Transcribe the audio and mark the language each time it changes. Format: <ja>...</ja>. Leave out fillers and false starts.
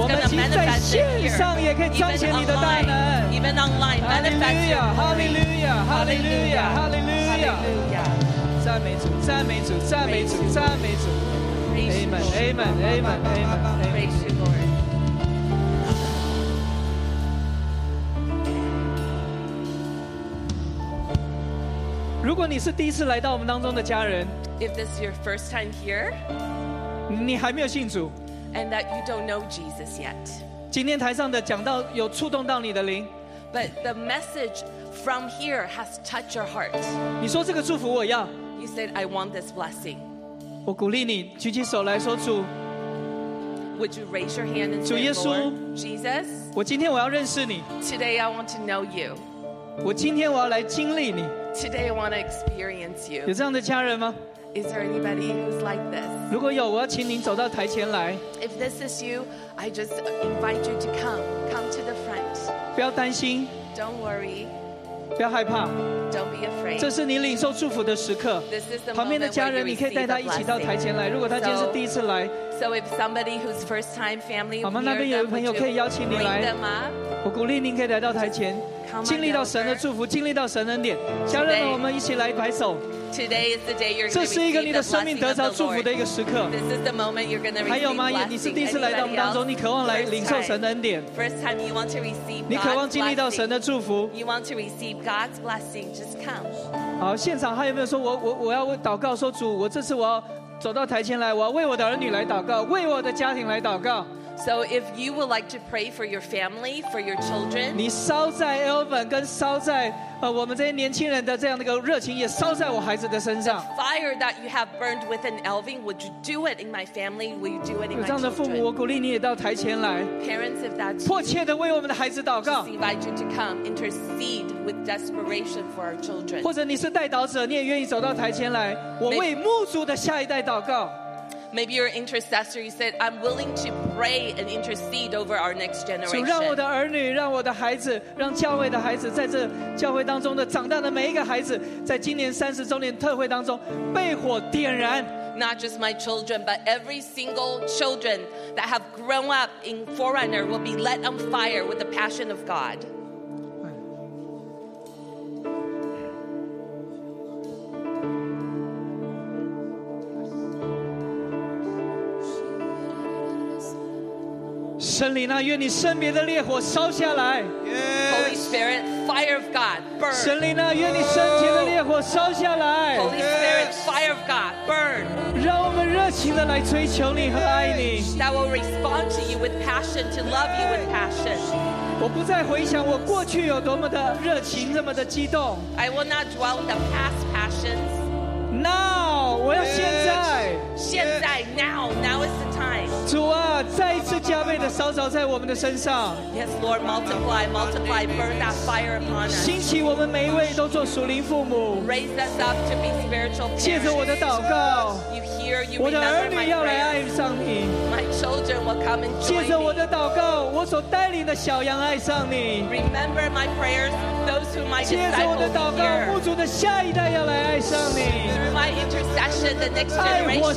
<zh>我们其实在线上也可以彰显你的大能</zh> <en>even online, manifest your glory Hallelujah, Hallelujah, Hallelujah</en> <zh>赞美主赞美主赞美主赞美主</zh> <en>Amen, Amen, Amen, Amen, Amen, Amen.</en> <zh>如果你是第一次来到我们当中的家人</zh> <en>If this is your first time here</en> <zh>你还没有信主</zh> <en>And that you don't know Jesus yet</en> <zh>今天台上的讲道有触动到你的灵</zh> <en>But the message from here has touched your heart</en> <zh>你说这个祝福我要</zh> <en>You said I want this blessing</en> <zh>我鼓励你举起手来说主</zh> <en>Would you raise your hand and say</en> <zh>主耶稣</zh> <en>Jesus</en> <zh>我今天我要认识你</zh> <en>Today I want to know you</en> <zh>我今天我要来经历你</zh> <en>Today I want to experience you.</en> <zh>有这样的家人吗</zh> <en>Is there anybody who's like this?</en> <zh>如果有，我要请您走到台前来。</zh> <en>If this is you, I just invite you to come. Come to the front.</en> <zh>不要担心。</zh> <en>Don't worry.</en> <zh>不要害怕。</zh> <en>Don't be afraid.</en> <zh>这是你领受祝福的时刻。</zh> <en>This is the moment.</en> <zh>旁边的家人，你可以带他一起到台前来。如果他今天是第一次来。</zh> <en>So if somebody who's first time family,</en> <zh>好吗？那边有一个朋友可以邀请你来。我鼓励您可以来到台前。经历到神的祝福，经历到神的恩典，家人们，我们一起来拍手。</zh> <en>Today is the day you're.</en> <zh>这是一个你的生命得着祝福的一个时刻。</zh> <en>This is the moment you're going to receive.</en> <zh>还有吗？你是第一次来到我们当中，你渴望来领受神的恩典。</zh> <en>First time you want to receive God's blessing.</en> <zh>你渴望经历到神的祝福。</zh> <en>You want to receive God's blessing. Just come.</en> <zh>好，现场还有没有说我要祷告说主，我这次我要走到台前来，我要为我的儿女来祷告，为我的家庭来祷告。</zh> <en>So if you would like to pray for your family, for your children,</en> <zh>你烧在 Elvin 跟烧在我们这些年轻人的这样的一个热情，也烧在我孩子的身上。</zh> <en>The fire that you have burned within Elvin, would you do it in my family? Will you do it in my children?</en> <zh>有这样的父母，我鼓励你也到台前来。</zh> <en>Parents, if that's you,</en> <zh>迫切的为我们的孩子祷告。</zh> <en>Just invite you to come, intercede with desperation for our children.</en> <zh>或者你是代祷者，你也愿意走到台前来，我为牧族的下一代祷告。</zh> <en>Maybe you're an intercessor. You said, I'm willing to pray and intercede over our next generation.</en> <zh>主让我的儿女，让我的孩子，让教会的孩子，在这教会当中的长大的每一个孩子，在今年三十周年特会当中被火点燃。</zh> <en>Not just my children, but every single children that have grown up in Forerunner will be lit on fire with the passion of God.</en> <zh>圣灵啊，愿你圣别的烈火烧下来。</zh> <en>Holy Spirit, fire of God, burn.</en> <zh>圣灵啊，愿你圣洁的烈火烧下来。</zh> <en>Holy Spirit, fire of God, burn.</en> <zh>让我们热情的来追求你和爱你。</zh> <en>That will respond to you with passion, to love you with passion.</en> <zh>我不再回想我过去有多么的热情，那么的激动。</zh> <en>I will not dwell on the past passions. Now,</en> <zh>我要现在。现在</zh> <en>，now, now is the time.</en> <zh>主啊。再一次加倍的烧着在我们的身上。</zh> <en>Yes, Lord, multiply, multiply, burn that fire upon us.</en> <zh>兴起我们每一位都做属灵父母。</zh> <en>Raise us up to be spiritual parents.</en> <zh>借着我的祷告。</zh> <en>You hear, you remember my prayers.</en> <zh>我的儿女要来爱上你。</zh> <en>My children will come and join me.</en> <zh>借着我的祷告，我所带领的小羊爱上你。</zh> <en>Remember my prayers, those who my disciples hear.</en> <zh>借着我的祷告，牧主的下一代要来爱上你。</zh> <en>Through my intercession, the next generation will love you.</en>